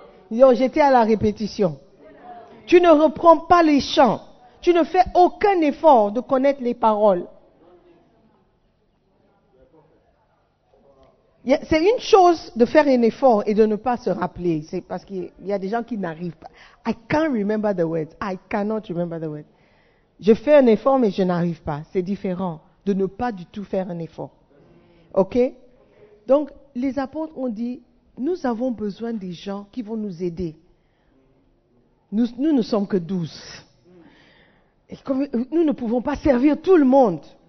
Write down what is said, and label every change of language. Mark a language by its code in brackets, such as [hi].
[fr] Yo, j'étais à la répétition. Tu ne reprends pas les chants. Tu ne fais aucun effort de connaître les paroles. C'est une chose de faire un effort et de ne pas se rappeler. C'est parce qu'il y a des gens qui n'arrivent pas. [en] I cannot remember the words. [fr] Je fais un effort, mais je n'arrive pas. C'est différent de ne pas du tout faire un effort. OK? Donc, les apôtres ont dit, nous avons besoin des gens qui vont nous aider. Nous ne sommes que 12. Et comme nous ne pouvons pas servir tout le monde.